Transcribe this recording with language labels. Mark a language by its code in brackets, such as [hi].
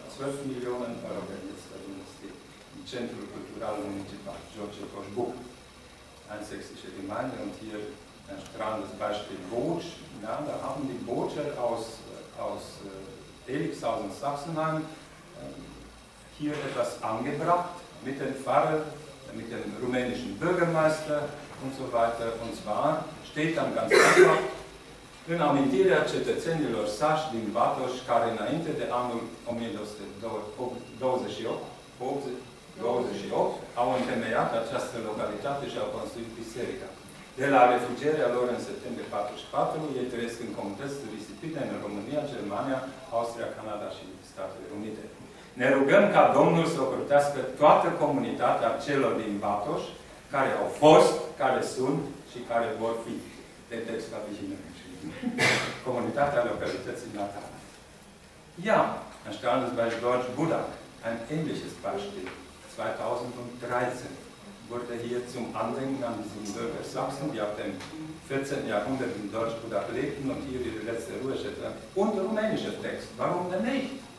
[de] 12 Millionen Euro werden jetzt investiert. Im Centro Culturale Municipal, Giorgio Koschbuch, eine sächsische Gemeinde und hier ein strahlendes Beispiel Bootsch. Ja, da haben die Bootscher aus Elixhausen, Sachsenheim hier etwas angebracht mit dem Pfarrer, mit dem rumänischen Bürgermeister und so weiter. Und zwar steht dann ganz einfach: [ro] În amintirea cetățenilor sași din Batoș, care înainte de anul 1928 au întemeiat această localitate și au construit biserica. De la refugierea lor în septembrie 1944, ei trăiesc în comunități risipite în România, Germania, Austria, Canada și Statele Unite. Ne rugăm ca Domnul să ocrotească toată comunitatea celor din Batoș, care au fost, care sunt și care vor fi. De text la vizionare. Comunitatea localității natale. [de] Ja, ein strahlendes Beispiel Deutsch Budak, ein ähnliches Beispiel. 2013 wurde hier zum Andenken an diesen Bürger Sachsen, die ab dem 14. Jahrhundert in Deutsch Budak lebten und hier ihre letzte Ruhestätte. Und rumänischer Text. Warum denn nicht?